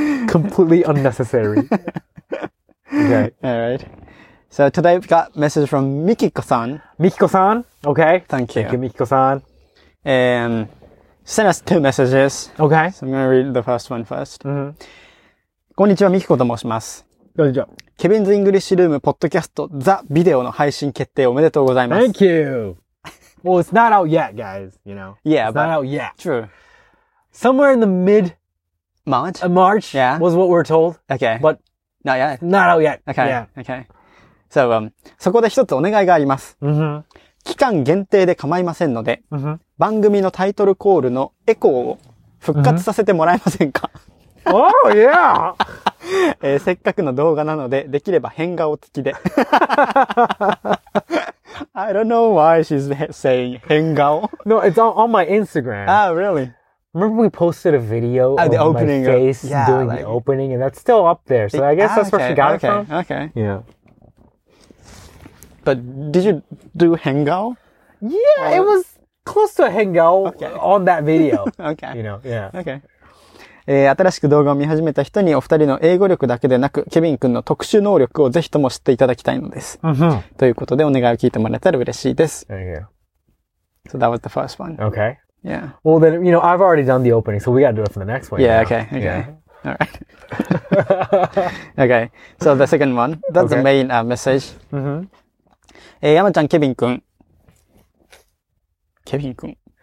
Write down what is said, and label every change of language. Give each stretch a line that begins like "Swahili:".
English: Completely unnecessary. Okay. All right. So today we've got a message from Mikiko-san. Mikiko-san. Okay. Thank you. Thank you, Mikiko-san. And sent us two messages. Okay. So I'm going to read the first one first. Mm-hmm.
Japanese: Konnichiwa, Mikiko to moshimasu. こんにちは。ケビンズ・イングリッシュルーム・ポッドキャスト・ザ・ビデオの配信決定おめでとうございます。
English: Thank you! Well, it's not out yet, guys, you know? Yeah, it's not out yet. True. Somewhere in the mid... March? March、 yeah. was what we're told. Okay. But... Not yet. Not out yet. Okay.、 Yeah. Okay.
Japanese: So, そこで一つお願いがあります。
English: Mm-hmm.
Japanese: 期間限定で構いませんので、
English: mm-hmm.
Japanese: 番組のタイトルコールのエコーを復活させてもらえませんか、mm-hmm.
English: Oh, yeah!
Japanese: せっかくの動画なので、できれば変顔付きで。
English: I don't know why she's saying 変顔。 No, it's on my Instagram. Ah, really? Remember we posted a video of the opening my face of, yeah, doing like, the opening, and that's still up there. So I guess that's where she got it from. Okay. Yeah. But did you do 変顔? Yeah, or? It was close to a 変顔 on that video. Okay. You know, yeah. Okay.
Japanese: 新しく動画を見始めた人にお二人の英語力だけでなく、ケビン君の特殊能力をぜひとも知っていただきたいのです。
English: Mm-hmm.
Japanese: ということでお願いを聞いてもらえたら嬉しいです。
English: Thank you. So that was the first one. Okay. Yeah. Well then, you know, I've already done the opening, so we gotta do it for the next one. Yeah, okay, okay. Yeah. Alright. Okay, so the second one. That's the main, message. Mm-hmm.
Japanese: 山ちゃん、ケビン君。ケビン君。